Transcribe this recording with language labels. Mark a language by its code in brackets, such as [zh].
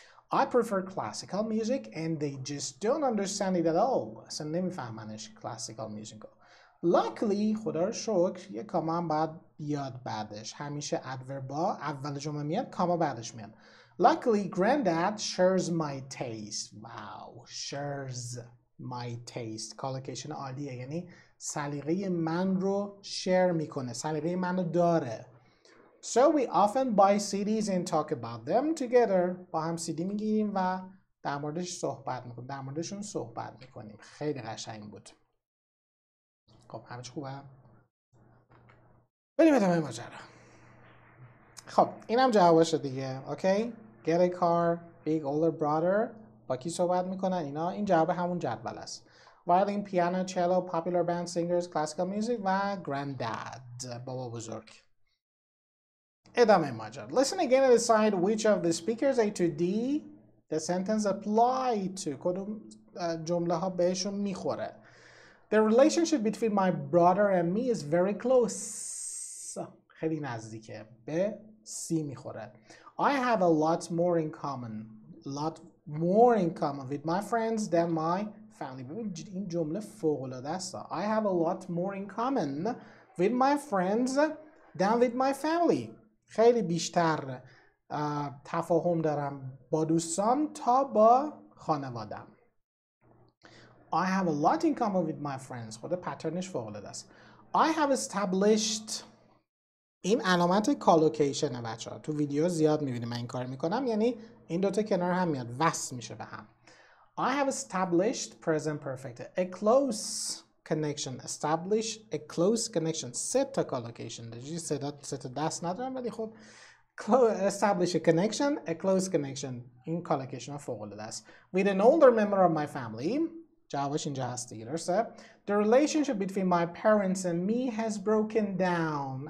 [en] I prefer classical music and they just don't understand it at all. So [fa] نمیفهمنش [en] classical music. Luckily, [fa] خدا رو شکر، یه کاما هم باید بیاد بعدش. همیشه ادوربا اول جمله میاد، کاما بعدش میاد. [en] Luckily, granddad shares my taste. Wow, shares my taste. [fa] Collocation عالیه، یعنی سلیقه من رو شیر میکنه. سلیقه من رو داره. [en] So we often buy CDs and talk about them together. [fa] با هم CD میگیریم و در موردش صحبت میکنیم. در موردشون صحبت میکنیم. خیلی قشنگ بود. خب همه چه خوبه؟ بریم ادامه ماجرا. خب اینم جوابش دیگه. اوکی؟ [en] get a car, big older brother. [fa] با کی صحبت میکنن اینا؟ این جواب همون جدول است. [en] violin, piano, cello, popular band, singers, classical music و granddad. [fa] بابا بزرگ. ادامه ماجرا. [en] listen again and decide which of the speakers A to D The sentence apply to [fa] کدوم جمله ها بهشون میخوره. [en] The relationship between my brother and me is very close. [fa] خیلی نزدیکه. به سی میخوره. [en] I have a lot more in common. Lot more in common with my friends than my family. [fa] ببینید این جمله فوق العاده است. [en] I have a lot more in common with my friends than with my family. [fa] خیلی بیشتر تفاهم دارم با دوستام تا با خانوادم. [en] I have a lot in common with my friends. [fa] خود پترنش فوق العاده است. [en] I have established [fa] این علامت کالوکیشنه بچه ها. تو ویدیو زیاد میبینیم من این کار میکنم. یعنی این دوتا کنار هم میاد. وصل میشه به هم. [en] I have established present perfect. A close connection. Establish a close connection. [fa] سه تا کالوکیشن. سه تا دست ندارم ولی خب. [en] Establish a connection. A close connection. [fa] این کالوکیشن ها فوق العاده است. [en] With an older member of my family. [fa] جوابش اینجا هست دیگه درسته. [en] The relationship between my parents and me has broken down.